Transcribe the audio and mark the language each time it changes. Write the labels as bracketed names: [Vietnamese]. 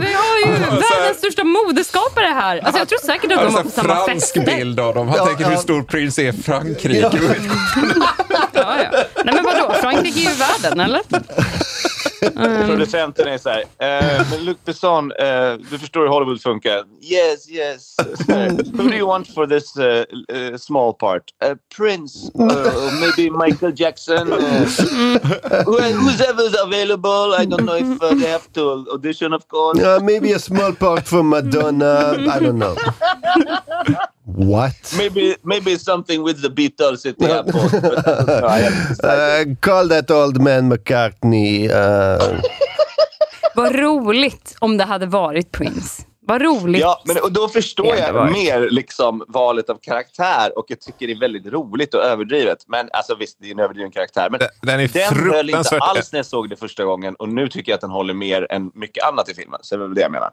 [Swedish] Vi har ju världens största modeskapare här. Alltså jag tror säkert att de har på samma fest. Fransk bild av dem. Han tänker hur stor Prince är i Frankrike. Ja. Nej men vadå? Frankrike är ju världen, eller? Producenten är såhär, men Luc Besson, du förstår hur Hollywood funkar. [English] Yes, yes. Who do you want for this small part? Prince, maybe Michael Jackson. Who's ever available? I don't know if they have to audition, of course. Maybe a small part for Madonna. I don't know. What? Maybe something with the Beatles at the airport. Call that old man McCartney. [Swedish] Vad roligt om det hade varit Prince. Vad roligt. Ja, men och då förstår jag mer liksom valet av karaktär, och jag tycker det är väldigt roligt och överdrivet. Men alltså visst, det är en överdriven karaktär, men den höll inte alls när jag såg det första gången, och nu tycker jag att den håller mer än mycket annat i filmen. Så det är väl det jag menar.